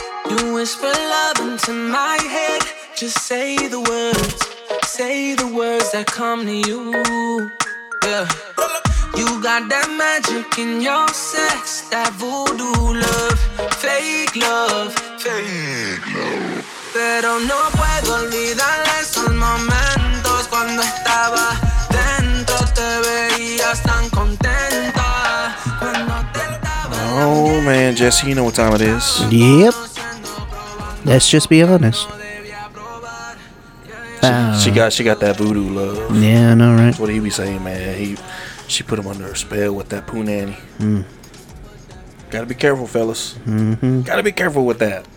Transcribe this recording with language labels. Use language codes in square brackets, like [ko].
[en] You whisper love into my head. Just say the words. Say the words that come to you, yeah. You got that magic in your sex, that voodoo love, fake love, fake love. [es] Pero no puedo olvidar esos momentos cuando estaba dentro, te veías tan contenta cuando te daba. [en] Oh man, Jesse, you know what time it is. Yep. Let's just be honest. She got that voodoo love. Yeah, I know, right? That's what he be saying, man. She put him under her spell with that poo nanny. Gotta be careful, fellas. Gotta be careful with that.